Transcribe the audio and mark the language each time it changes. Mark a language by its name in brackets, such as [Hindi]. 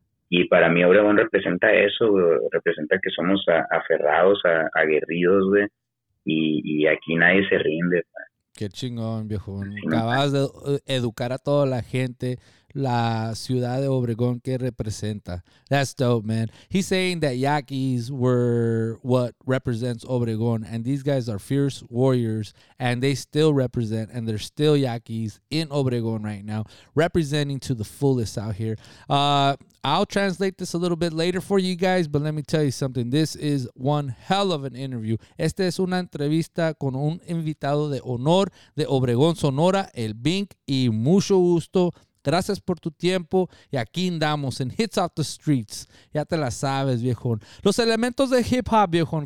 [Spanish] Y para mí Obregón representa eso, güey. Representa que somos aferrados, aguerridos, güey. Y aquí nadie se rinde, güey. Qué chingón, viejo. Acabas de educar a toda la gente la ciudad de Obregón que representa. [English] That's dope, man. He's saying that Yaquis were what represents Obregón. And these guys are fierce warriors. And they still represent. And they're still Yaquis in Obregón right now. Representing to the fullest out here. I'll translate this a little bit later for you guys, but let me tell you something. This is one hell of an interview. [Spanish] Esta es una entrevista con un invitado de honor de Obregón, Sonora, el Bink, y mucho gusto. Gracias por tu tiempo. Y aquí andamos en Hits Off the Streets. Ya te la sabes, viejón. Los elementos de hip hop, viejón.